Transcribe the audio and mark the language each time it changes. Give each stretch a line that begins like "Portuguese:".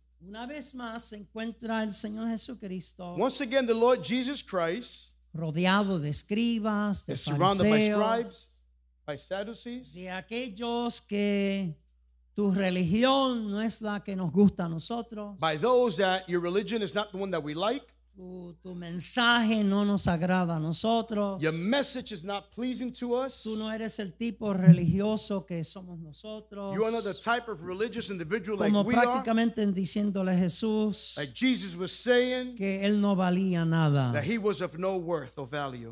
Spanish: una vez más se encuentra el Señor Jesucristo.
English: Once again, the Lord Jesus Christ,
Spanish: rodeado de escribas, de fariseos,
English: surrounded by scribes, by Sadducees,
Spanish: de aquellos que tu religión no es la que nos gusta a nosotros,
English: by those that your religion is not the one that we like.
Spanish: Tu mensaje no nos agrada a nosotros.
English: Your message is not pleasing to us.
Spanish: Tú no eres el tipo religioso que somos nosotros.
English: You are not the type of religious individual
Spanish: como
English: like we are.
Spanish: Como prácticamente diciéndole a Jesús,
English: like Jesus was saying,
Spanish: que él no valía nada.
English: That he was of no worth or value.